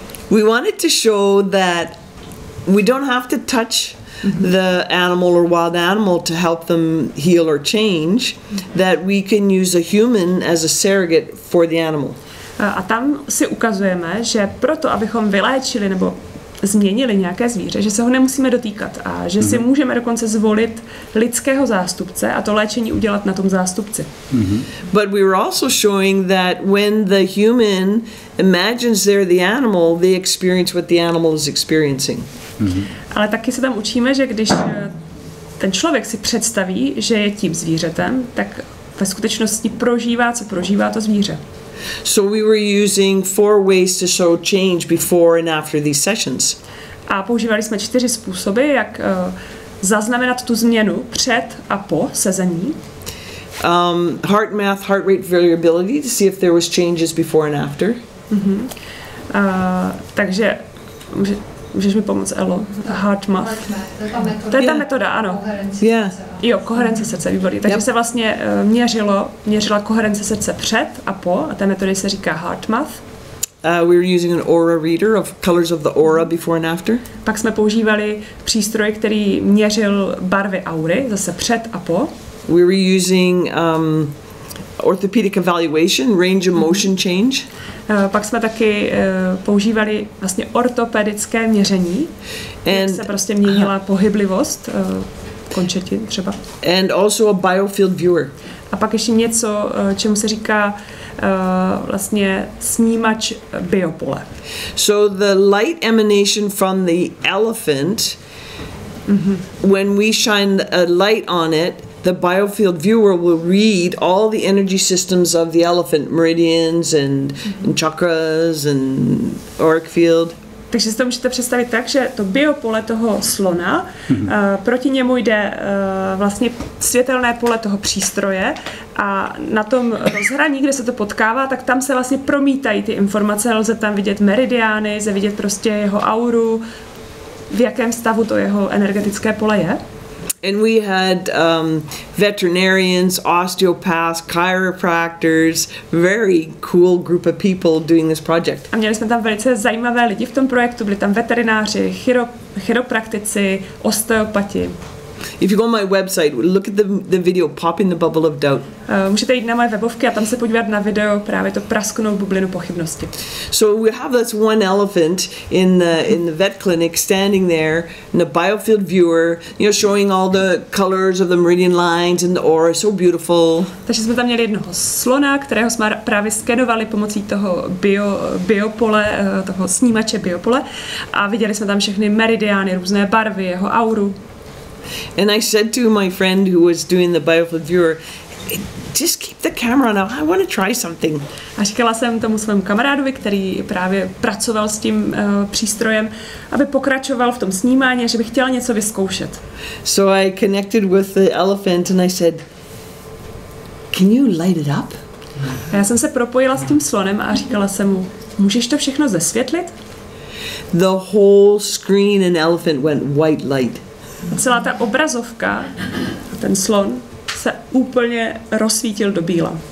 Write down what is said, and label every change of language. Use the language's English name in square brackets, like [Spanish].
[English] We wanted to show that we don't have to touch the animal or wild animal to help them heal or change, that we can use a human as a surrogate for the animal. [Czech] A tam si ukazujeme, že proto, abychom vyléčili nebo změnili nějaké zvíře, že se ho nemusíme dotýkat a že si můžeme dokonce zvolit lidského zástupce a to léčení udělat na tom zástupci. [English] But we were also showing that when the human imagines they're the animal, they experience what the animal is experiencing. [Czech] Ale taky se tam učíme, že když ten člověk si představí, že je tím zvířetem, tak ve skutečnosti prožívá, co prožívá to zvíře. [English] So we were using four ways to show change before and after these sessions. [Czech] A používali jsme čtyři způsoby, jak zaznamenat tu změnu před a po sezení. [English] Heart math, heart rate variability to see if there was changes before and after. [Czech] Takže můžeš mi pomoct, Elo? Heart math. To je ta metoda, ano. Jo, koherence srdce, výborně. Takže se vlastně měřila koherence srdce před a po, a té metody se říká heart math. [English] We were using an aura reader of colors of the aura before and after. [Czech] Pak jsme používali přístroj, který měřil barvy aury, zase před a po. [English] We were using orthopedic evaluation, range of motion change. [Czech] Pak jsme taky používali vlastně ortopedické měření, and, jak se prostě měnila pohyblivost končetin třeba. [English] And also a biofield viewer. [Czech] A pak ještě něco, čemu se říká vlastně snímač biopole. [English] So the light emanation from the elephant, when we shine a light on it, the biofield viewer will read all the energy systems of the elephant, meridians and chakras and auric field. [Czech] Takže si to můžete představit tak, že to biopole toho slona, proti němu jde vlastně světelné pole toho přístroje, a na tom rozhraní, kde se to potkává, tak tam se vlastně promítají ty informace, lze tam vidět meridiány, lze vidět prostě jeho auru, v jakém stavu to jeho energetické pole je. [English] And we had veterinarians, osteopaths, chiropractors, very cool group of people doing this project. [Czech] A měli jsme tam velice zajímavé lidi v tom projektu, byli tam veterináři, chiropraktici, osteopati. [English] If you go on my website, look at the video Popping the Bubble of Doubt. [Czech] Můžete jít na moje webovky a tam se podívat na video právě to prasknou bublinu pochybnosti. [English] So we have this one elephant in the vet clinic standing there in the biofield viewer, you know, showing all the colors of the meridian lines and the aura, so beautiful. [Czech] Takže jsme tam měli jednoho slona, kterého jsme právě skenovali pomocí toho biopole, toho snímače biopole, a viděli jsme tam všechny meridiány, různé barvy, jeho auru. [English] And I said to my friend who was doing the biofield viewer, just keep the camera now, I want to try something. [Czech] A říkala jsem tomu svému kamarádovi, který právě pracoval s tím přístrojem, aby pokračoval v tom snímání, že by chtěl něco vyzkoušet. [English] So I connected with the elephant and I said, can you light it up? [Czech] A já jsem se propojila s tím slonem a říkala jsem mu, můžeš to všechno zesvětlit? [English] The whole screen and elephant went white light. [Czech] Celá ta obrazovka, ten slon, se úplně rozsvítil do bíla.